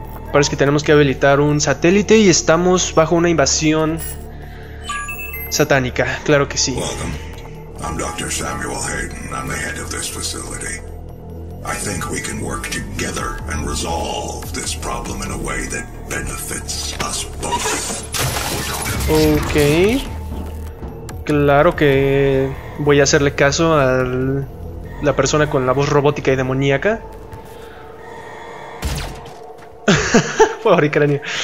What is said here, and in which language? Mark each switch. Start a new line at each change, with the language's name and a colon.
Spanish: Ah, Parece que tenemos que habilitar un satélite y estamos bajo una invasión satánica, claro que sí.
English: I'm Dr. Samuel Hayden. I'm the head of this facility. I think we can work together and resolve this problem in a way that benefits us both. Ok.
Spanish: Claro que voy a hacerle caso a la persona con la voz robótica y demoníaca. Pobre cráneo.